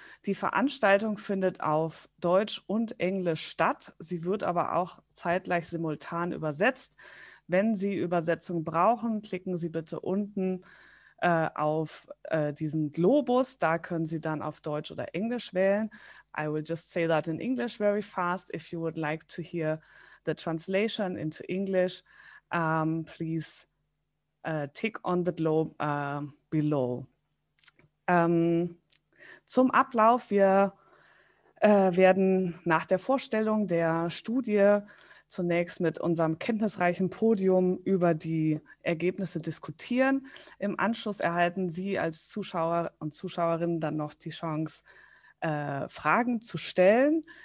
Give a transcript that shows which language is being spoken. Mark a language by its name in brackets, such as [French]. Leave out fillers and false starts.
[German] Die Veranstaltung findet auf Deutsch und Englisch statt. Sie wird aber auch zeitgleich simultan übersetzt. Wenn Sie Übersetzung brauchen, klicken Sie bitte unten auf diesen Globus. Da können Sie dann auf Deutsch oder Englisch wählen. [English] I will just say that in English very fast. If you would like to hear the translation into English, please tick on the globe below. [German] Zum Ablauf, wir werden nach der Vorstellung der Studie zunächst mit unserem kenntnisreichen Podium über die Ergebnisse diskutieren. Im Anschluss erhalten Sie als Zuschauer und Zuschauerinnen dann noch die Chance, Fragen zu stellen.